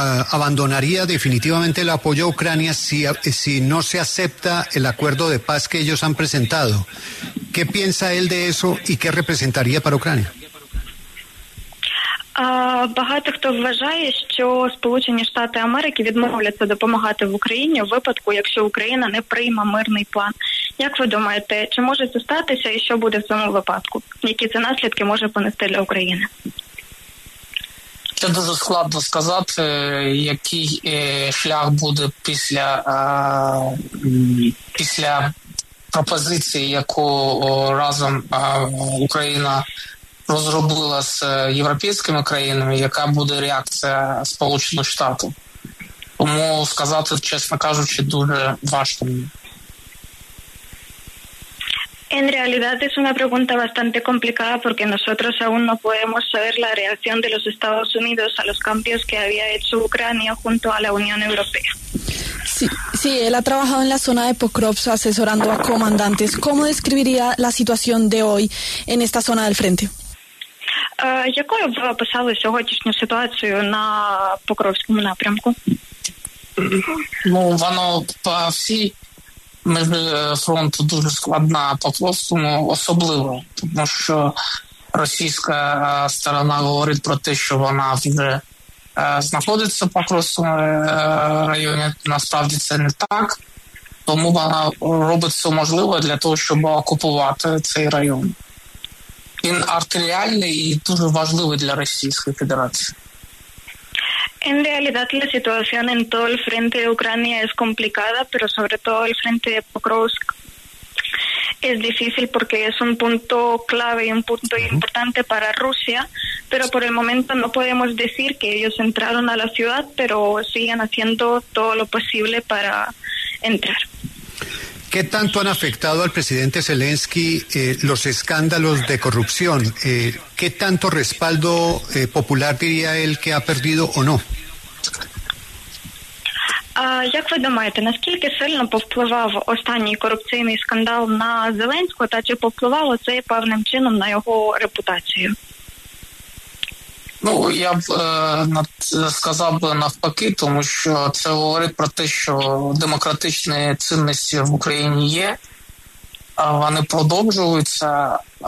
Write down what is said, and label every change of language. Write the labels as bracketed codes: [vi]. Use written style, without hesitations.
[es] abandonaría definitivamente el apoyo a Ucrania si no se acepta el acuerdo de paz que ellos han presentado. ¿Qué piensa él de eso y qué representaría para Ucrania? [uk] Багато хто вважає, що Сполучені Штати Америки відмовляться допомагати в Україні в випадку, якщо Україна не прийме мирний план. Як ви думаєте, чи може це статися і що буде в цьому випадку? Які це наслідки може понести для України? Це дуже складно сказати, який шлях буде після пропозиції, яку разом Україна розробила з європейськими країнами, яка буде реакція Сполучених Штатів. Тому сказати, чесно кажучи, дуже важко. [es] En realidad es una pregunta bastante complicada porque nosotros aún no podemos saber la reacción de los Estados Unidos a los cambios que había hecho Ucrania junto a la Unión Europea. Sí, él ha trabajado en la zona de Pokrovsk asesorando a comandantes. ¿Cómo describiría la situación de hoy en esta zona del frente? [uk] Якою б ви описали сьогоднішню ситуацію на Покровському напрямку? Ну, воно по всій межі фронту дуже складна по Покровському, особливо, тому що російська сторона говорить про те, що вона вже знаходиться по Покровському районі. Насправді це не так, тому вона робить все можливе для того, щоб окупувати цей район. Він артиліальний і дуже важливий для Російської Федерації. [es] En realidad la situación en todo el frente de Ucrania es complicada, pero sobre todo el frente de Pokrovsk es difícil porque es un punto clave y un punto importante para Rusia, pero por el momento no podemos decir que ellos entraron a la ciudad, pero siguen haciendo todo lo posible para entrar. ¿Qué tanto han afectado al presidente Zelensky los escándalos de corrupción? ¿Qué tanto respaldo popular diría él que ha perdido o no? [uk] Як ви думаєте, наскільки сильно повпливав останній корупційний скандал на Зеленського, та чи повпливало це певним чином на його репутацію? Ну, я б сказав би навпаки, тому що це говорить про те, що демократичні цінності в Україні є, а вони продовжуються.